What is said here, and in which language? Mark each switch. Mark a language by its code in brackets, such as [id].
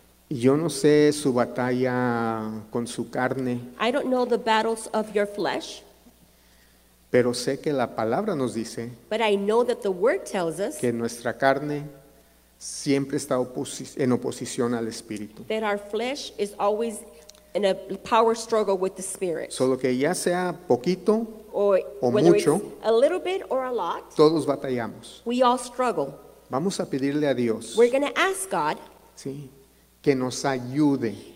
[es] Yo no sé su batalla con su carne. [en] I don't know the battles of your flesh. [es] Pero sé que la palabra nos dice. [en] But I know that the word tells us. [es] Que nuestra carne siempre está en oposición al Espíritu. [en] That our flesh is always in a power struggle with the Spirit. [es] Solo que ya sea poquito o mucho. [en] A little bit or a lot. [es] Todos batallamos. [en] We all struggle. [es] Vamos a pedirle a Dios. [en] We're going to ask God. [es] Sí. Que nos ayude.